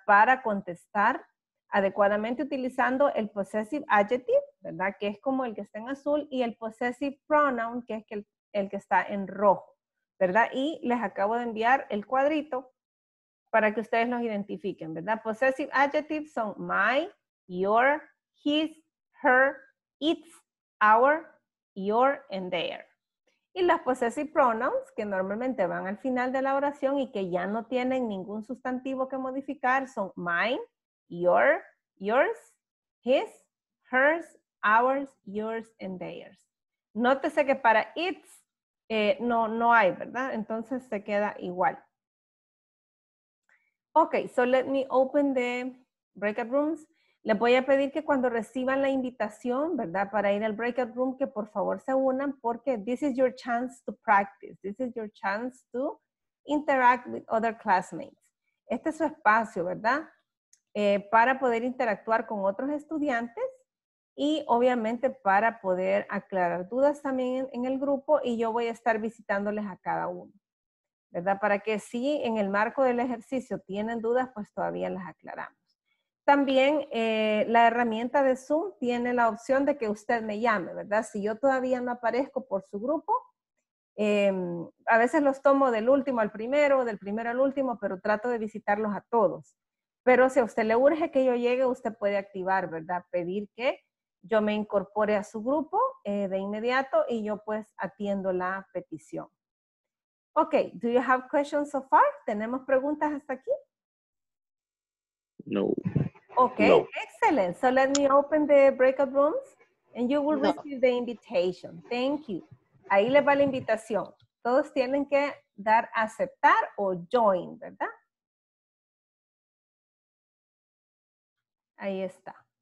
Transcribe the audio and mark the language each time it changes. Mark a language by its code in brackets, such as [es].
[es] Para contestar adecuadamente utilizando el possessive adjective, ¿verdad? Que es como el que está en azul, y el possessive pronoun, que es el que está en rojo, ¿verdad? Y les acabo de enviar el cuadrito para que ustedes los identifiquen, ¿verdad? [en] Possessive adjectives son my, your, his, her, its, our, your, and their. [es] Y las possessive pronouns, que normalmente van al final de la oración y que ya no tienen ningún sustantivo que modificar, son mine, your, yours, his, hers, ours, yours, and theirs. Nótese que para its, no hay, ¿verdad? Entonces se queda igual. [en] Ok, so let me open the breakout rooms. [es] Les voy a pedir que cuando reciban la invitación, ¿verdad?, para ir al breakout room, que por favor se unan, porque [en] this is your chance to practice. This is your chance to interact with other classmates. [es] Este es su espacio, ¿verdad?, para poder interactuar con otros estudiantes. Y obviamente para poder aclarar dudas también en el grupo, y yo voy a estar visitándoles a cada uno, ¿verdad? Para que si en el marco del ejercicio tienen dudas, pues todavía las aclaramos. También la herramienta de Zoom tiene la opción de que usted me llame, ¿verdad? Si yo todavía no aparezco por su grupo, a veces los tomo del último al primero, del primero al último, pero trato de visitarlos a todos. Pero si a usted le urge que yo llegue, usted puede activar, ¿verdad? Pedir que yo me incorpore a su grupo de inmediato, y yo pues atiendo la petición. [en] Ok, do you have questions so far? [es] ¿Tenemos preguntas hasta aquí? [en] No. Ok, no. Excellent. So let me open the breakout rooms and you will receive the invitation. Thank you. [es] Ahí le va la invitación. Todos tienen que dar aceptar o join, ¿verdad? Ahí está.